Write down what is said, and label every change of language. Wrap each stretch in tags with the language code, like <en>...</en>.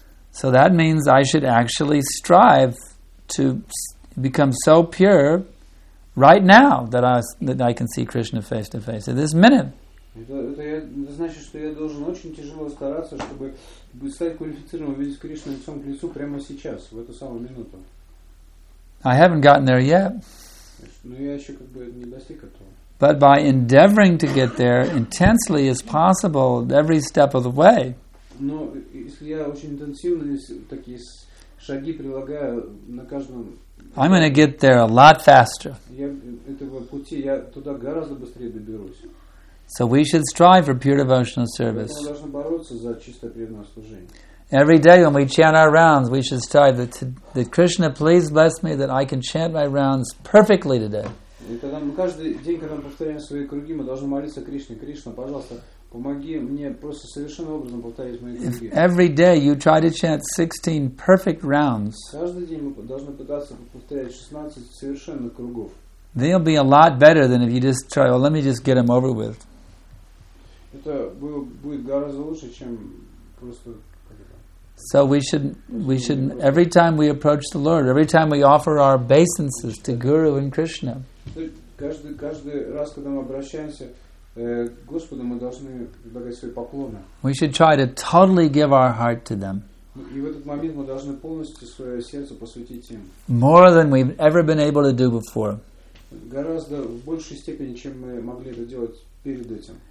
<en>So that means I should actually strive to become so pure right now that I can see Krishna face to face at this minute.</en> <ru>Это значит, что я должен очень тяжело стараться, чтобы стать квалифицированным увидеть Кришну лицом к лицу прямо сейчас, в эту самую минуту.</ru> <en>I haven't gotten there yet.</en> <ru>Но я еще как бы не достиг этого.</ru> <en>But by endeavoring to get there intensely as possible every step of the way.</en> <ru>Но если я очень интенсивно такие шаги прилагаю на каждом.</ru> <en>I'm going to get there a lot faster.</en> <ru>Я этого пути я туда гораздо быстрее доберусь.</ru> <en>So we should strive for pure devotional service. Every day when we chant our rounds, we should strive that Krishna, please bless me that I can chant my rounds perfectly today. If every day you try to chant 16 perfect rounds, they'll be a lot better than if you just try, well, let me just get them over with.</en> <ru>Это будет гораздо лучше, чем просто.</ru> <en>So we should every time we approach the Lord, every time we offer our obeisances to Guru and Krishna.</en> <ru>Каждый раз, когда мы обращаемся к Господу, мы должны предлагать свои поклоны.</ru> <en>We should try to totally give our heart to them.</en> <ru>И в этот момент мы должны полностью свое сердце посвятить им.</ru> <en>More than we've ever been able to do before.</en> <ru>Гораздо в большей степени, чем мы могли это делать перед этим.</ru>